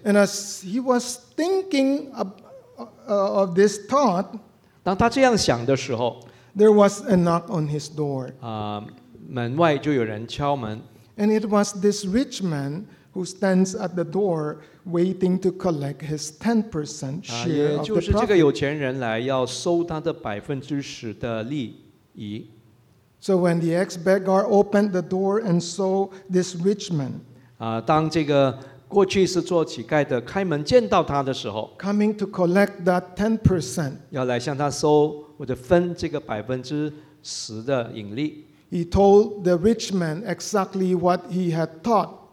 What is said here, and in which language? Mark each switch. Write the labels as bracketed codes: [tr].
[en] And as he was thinking of this thought, [zh] 当他这样想的时候， [en] there was a knock on his door. [zh] 门外就有人敲门。 [en] And it was this rich man who stands at the door waiting to collect his 10% share of the profit. [zh] 也就是这个有钱人来要收他的 10%的利益。 [en] So when the ex-beggar opened the door and saw this rich man, [zh] 当这个过去是做乞丐的开门见到他的时候， [en] coming to collect that 10%, [zh] 要来向他收我的分这个 10%的盈利。 [en] He told the rich man exactly what he had thought.